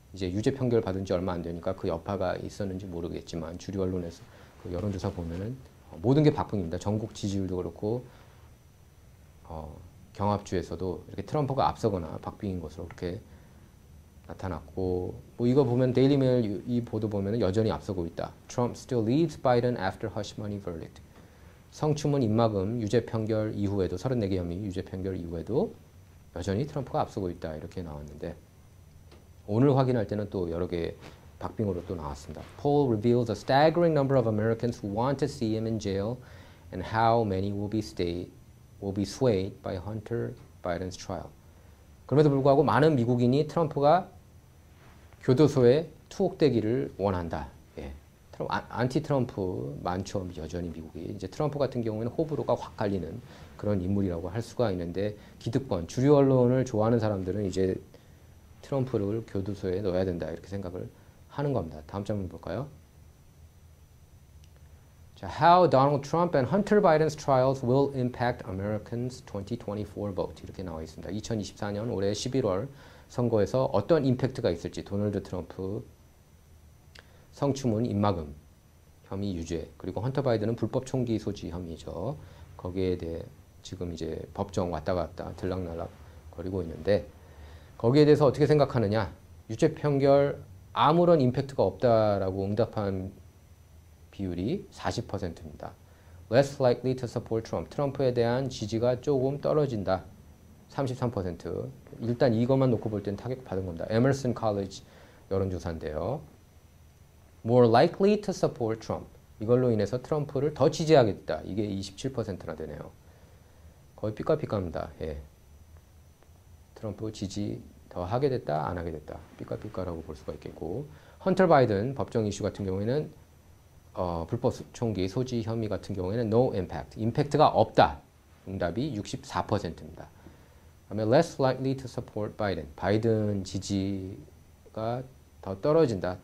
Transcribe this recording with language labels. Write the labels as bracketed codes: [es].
[ko] 이제 유죄 판결 받은 지 얼마 안 되니까 그 여파가 있었는지 모르겠지만 주류 언론에서 그 여론조사 보면은 모든 게 박빙입니다. 전국 지지율도 그렇고 경합주에서도 이렇게 트럼프가 앞서거나 박빙인 것으로 그렇게 나타났고 뭐 이거 보면 데일리 메일 이 보도 보면은 여전히 앞서고 있다. [en] 트럼프 still leads Biden after hush money verdict. [ko] 성추문 입막음 유죄 판결 이후에도 34개 혐의 유죄 판결 이후에도 여전히 트럼프가 앞서고 있다 이렇게 나왔는데 오늘 확인할 때는 또 여러 개 박빙으로 또 나왔습니다. [en] Poll reveals a staggering number of Americans who want to see him in jail and how many will be swayed by Hunter Biden's trial. [ko] 그럼에도 불구하고 많은 미국인이 트럼프가 교도소에 투옥되기를 원한다. 안티 트럼프 만추함 여전히 미국이 이제 트럼프 같은 경우에는 호불호가 확 갈리는 그런 인물이라고 할 수가 있는데 기득권 주류 언론을 좋아하는 사람들은 이제 트럼프를 교도소에 넣어야 된다 이렇게 생각을 하는 겁니다. 다음 장면 볼까요? 자, [en] How Donald Trump and Hunter Biden's trials will impact Americans 2024 vote [ko] 이렇게 나와 있습니다. 2024년 올해 11월 선거에서 어떤 임팩트가 있을지 도널드 트럼프 성추문 입막음 혐의 유죄 그리고 헌터 바이든은 불법 총기 소지 혐의죠. 거기에 대해 지금 이제 법정 왔다 갔다 들락날락 거리고 있는데 거기에 대해서 어떻게 생각하느냐? 유죄 판결 아무런 임팩트가 없다라고 응답한 비율이 40%입니다. [en] Less likely to support Trump. [ko] 트럼프에 대한 지지가 조금 떨어진다. 33%. 일단 이것만 놓고 볼땐 타격 받은 겁니다. [en] Emerson College [ko] 여론조사인데요. [en] More likely to support Trump. [ko] 이걸로 인해서 트럼프를 더 지지하겠다. 이게 27%나 되네요. 거의 삐까삐까입니다. 예. 트럼프 지지 더 하게 됐다, 안 하게 됐다. 삐까삐까라고 볼 수가 있겠고. 헌터 바이든 법정 이슈 같은 경우에는 불법 총기 소지 혐의 같은 경우에는 [en] no impact. [ko] 임팩트가 없다. 응답이 64%입니다. 그다음에 [en] less likely to support Biden. [ko] 바이든 지지가 더 떨어진다.